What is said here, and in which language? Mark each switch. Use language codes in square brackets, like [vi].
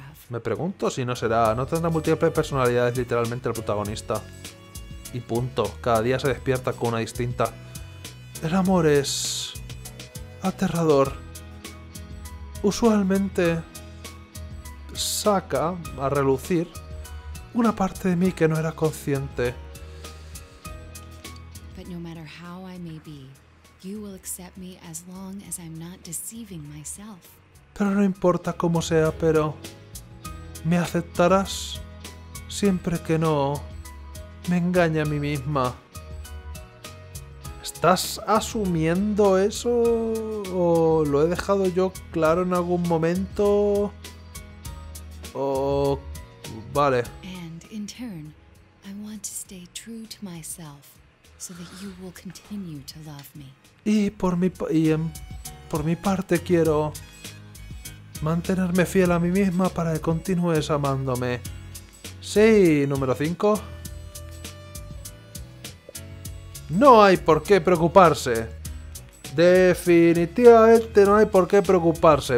[es] Me pregunto si no será. ¿No tendrá múltiples personalidades literalmente el protagonista? y punto. Cada día se despierta con una distinta. El amor es... aterrador. Usualmente... saca a relucir una parte de mí que no era consciente. [en] But no matter how I may be, you will accept me as long as I'm not deceiving myself. [es] Pero no importa cómo sea, pero me aceptarás siempre que no me engañe a mí misma. ¿Estás asumiendo eso? ¿O lo he dejado yo claro en algún momento? Oh, vale. [en] And in turn, I want to stay true to myself so that you will continue to love me. [es] Y por mi parte quiero mantenerme fiel a mí misma para que continúes amándome. Sí, número 5. No hay por qué preocuparse. Definitivamente no hay por qué preocuparse.